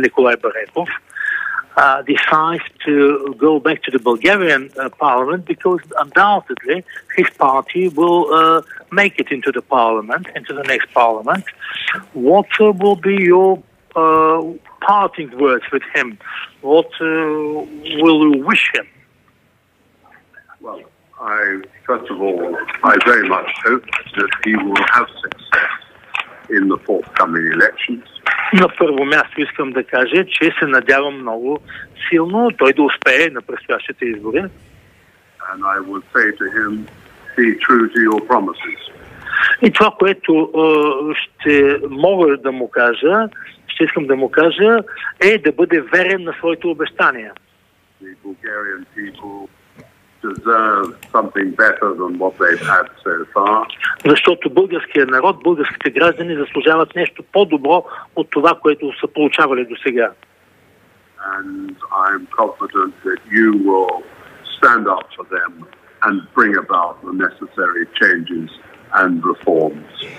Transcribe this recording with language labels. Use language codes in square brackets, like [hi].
[en] Nikolai Barekov, decides to go back to the Bulgarian parliament, because undoubtedly his party will make it into the parliament, into the next parliament, what will be your parting words with him? What will you wish him? Well, I very much hope that he will have success in the forthcoming elections. [bg] На първо място искам да кажа, че се надявам много силно той да успее на предстоящите избори. [en] And I will say to him, be true to your promises. [bg] И това, което ще мога да му кажа, ще искам да му кажа, е да бъде верен на своите обещания. [en] The Bulgarian people deserve something better than what they've had so far. [bg] Защото българският народ, българските граждани заслужават нещо по-добро от това, което са получавали до сега. [en] And I'm confident that you will stand up for them and bring about the necessary changes and reforms.